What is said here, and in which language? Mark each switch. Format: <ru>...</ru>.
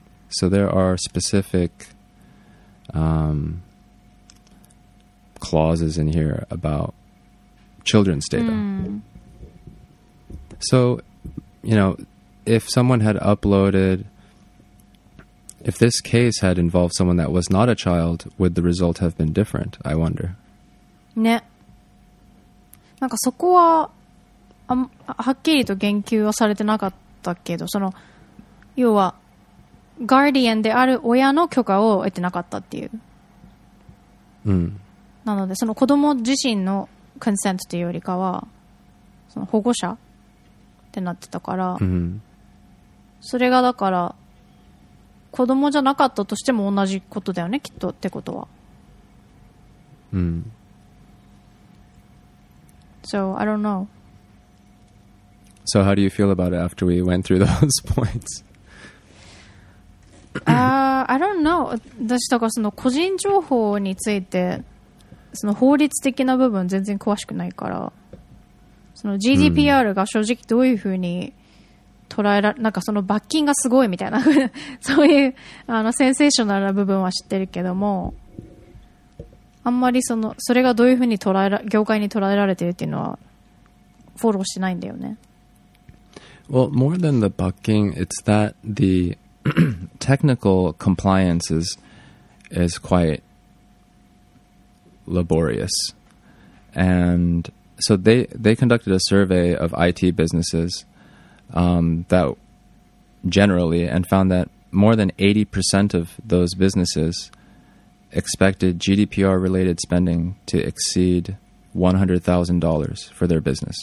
<en>So there are specific、clauses in here about children's data.、So, you know, if someone had uploaded, if this case had involved someone that was not a child, would the result have been different? I wonder.</en> <ja>ね。なんかそこは、はっきりと言及はされてなかったけど、その、要は、ガーディアンである親の許可を得てなかったっていう、なのでその子供自身のコンセントというよりかはその保護者ってなってたから、それがだから子供じゃなかったとしても同じことだよねきっとってことは、</ja> <en>So I don't know. So how do you feel about it after we went through those points? I don't know.</en> <ja>私とかその個人情報についてその法律的な部分全然詳しくないから、その GDPR が正直どういうふうに捉えら、なんかその罰金がすごいみたいなそういうあのセンセーショナルな部分は知ってるけども、あんまりそのそれがどういうふうに捉えら業界に捉えられてるっていうのはフォローしてないんだよね。</ja> <en>Well, more than the 罰金, it's that the technical compliance is quite laborious. And so they conducted a survey of IT businesses that generally and found that more than 80% of those businesses expected GDPR related spending to exceed $100,000 for their business.</en>